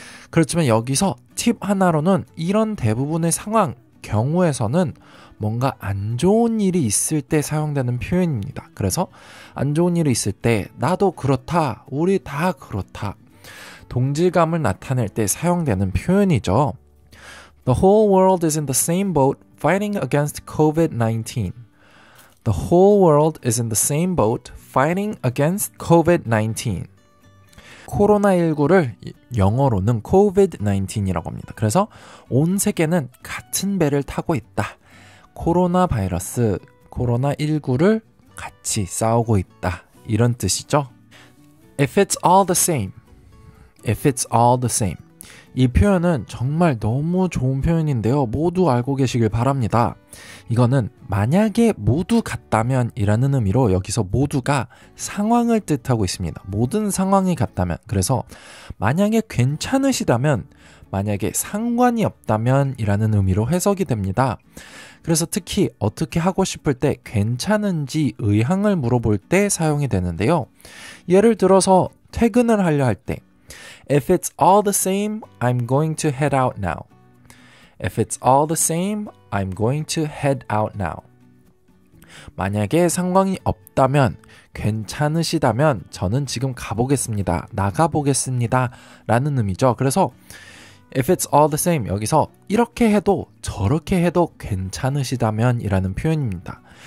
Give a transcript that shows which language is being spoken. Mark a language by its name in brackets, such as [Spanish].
[Korean] 그렇지만 여기서 팁 하나로는 이런 대부분의 상황, 경우에서는 뭔가 안 좋은 일이 있을 때 사용되는 표현입니다. 그래서 안 좋은 일이 있을 때 나도 그렇다, 우리 다 그렇다, 동질감을 나타낼 때 사용되는 표현이죠. [English] The whole world is in the same boat fighting against COVID-19. The whole world is in the same boat fighting against COVID-19. [Korean] 코로나19를 영어로는 COVID-19이라고 합니다. 그래서 온 세계는 같은 배를 타고 있다. 코로나 바이러스, 코로나19를 같이 싸우고 있다. 이런 뜻이죠. [English] If it's all the same. If it's all the same. [Korean] 이 표현은 정말 너무 좋은 표현인데요. 모두 알고 계시길 바랍니다. 이거는 만약에 모두 같다면 이라는 의미로 여기서 모두가 상황을 뜻하고 있습니다. 모든 상황이 같다면. 그래서 만약에 괜찮으시다면, 만약에 상관이 없다면 이라는 의미로 해석이 됩니다. 그래서 특히 어떻게 하고 싶을 때 괜찮은지 의향을 물어볼 때 사용이 되는데요. 예를 들어서 퇴근을 하려 할 때 [English] If it's all the same, I'm going to head out now. If it's all the same, I'm going to head out now. [Korean] 만약에 상황이 없다면, 괜찮으시다면 저는 지금 가보겠습니다. 나가보겠습니다. 라는 의미죠. 그래서 [English] If it's all the same, [Korean] 여기서 이렇게 해도 저렇게 해도 괜찮으시다면 이라는 표현입니다.